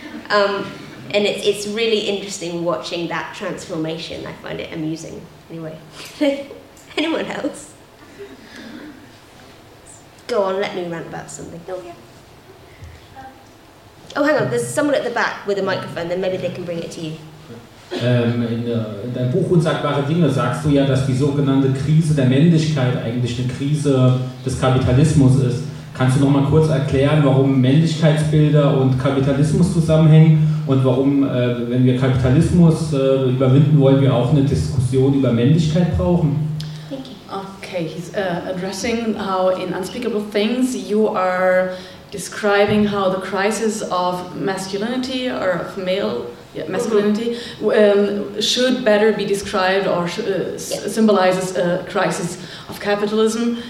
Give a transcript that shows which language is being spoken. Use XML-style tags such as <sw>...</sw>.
<en>And it's really interesting watching that transformation. I find it amusing. Anyway, anyone else? Go on, let me rant about something. Oh, yeah. Oh, hang on, there's someone at the back with a microphone, then maybe they can bring it to you.</en> <de>In deinem Buch Unsagbare Dinge sagst du ja, dass die sogenannte Krise der Männlichkeit eigentlich eine Krise des Kapitalismus ist. Kannst du noch mal kurz erklären, warum Männlichkeitsbilder und Kapitalismus zusammenhängen und warum, wenn wir Kapitalismus überwinden wollen, wir auch eine Diskussion über Männlichkeit brauchen?</de> <en>Okay, he's addressing how in Unspeakable Things you are describing how the crisis of masculinity or of male masculinity should better be described or symbolizes a crisis of capitalism.</en>